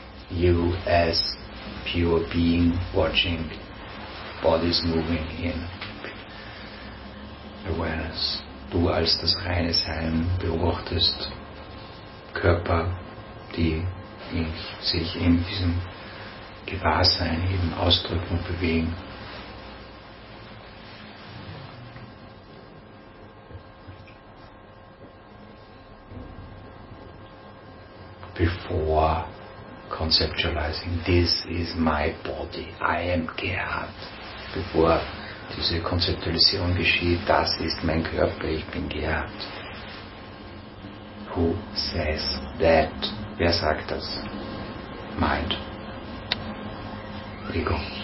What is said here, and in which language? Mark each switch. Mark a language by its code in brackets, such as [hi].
[en] You as pure being watching bodies moving in awareness. [de] Du als das reine Sein beobachtest Körper, die sich in diesem Gewahrsein eben ausdrücken und bewegen. [en] Before conceptualizing, this is my body, I am Gerhard. [de] Bevor diese Konzeptualisierung geschieht, das ist mein Körper, ich bin Gerhard. [en] Who says that? [de] Wer sagt das? [en] Mind. Ego.